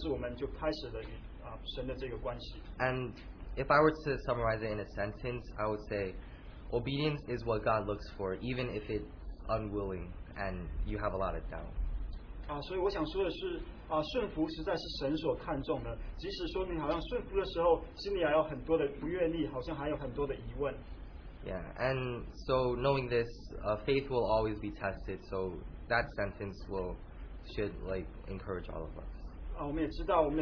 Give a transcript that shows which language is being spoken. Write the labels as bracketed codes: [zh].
[zh] 但是如果我们顺服的话，虽然好像是一个顺服是一个很小的事情，但是我们就开始了与神的这个关系。 [en] And if I were to summarize it in a sentence, I would say, obedience is what God looks for, even if it. Unwilling, and you have a lot of doubt. [zh] 所以我想说的是，顺服实在是神所看重的。即使说你好像顺服的时候，心里还有很多的不愿意，好像还有很多的疑问。 [en] Yeah, and so knowing this, faith will always be tested. So that sentence should like encourage all of us.